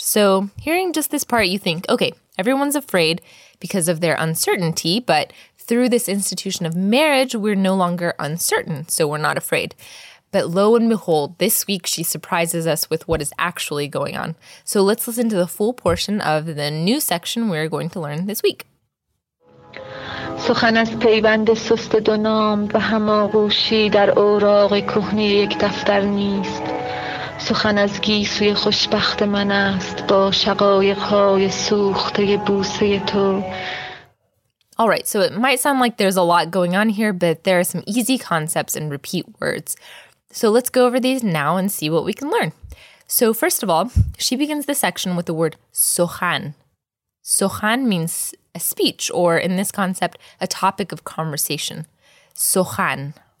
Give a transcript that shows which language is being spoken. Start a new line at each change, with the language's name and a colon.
English: So hearing just this part, you think, okay, everyone's afraid because of their uncertainty, but through this institution of marriage, we're no longer uncertain, so we're not afraid. But lo and behold, this week she surprises us with what is actually going on. So let's listen to the full portion of the new section we're going to learn this week.
Persian: سخن از پیوند سست دو نام و هماغوشی در اوراق کهنه یک دفتر نیست. سخن از گیسوی خوشبخت من است با شقایق های سوخته بوسه تو.
English: All right, so it might sound like there's a lot going on here, but there are some easy concepts and repeat words. So let's go over these now and see what we can learn. So first of all, she begins the section with the word sohan. Sohan means a speech, or in this concept, a topic of conversation. Sohan.